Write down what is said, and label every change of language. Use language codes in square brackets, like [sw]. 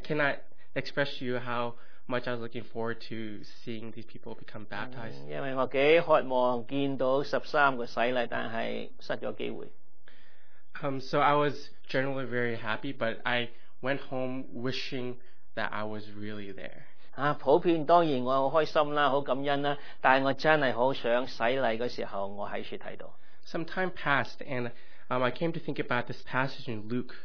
[en] cannot express to you how much I was looking forward to seeing these people become baptized. [yue] 因為我幾渴望見到13個洗禮，但係失咗機會。 [en] So I was generally very happy, but I went home wishing that I was really there. [yue] 普遍當然我好開心啦，好感恩啦，但係我真係好想洗禮嗰時候，我喺處睇到。 [en] Some time passed, and I came to think about this passage in Luke.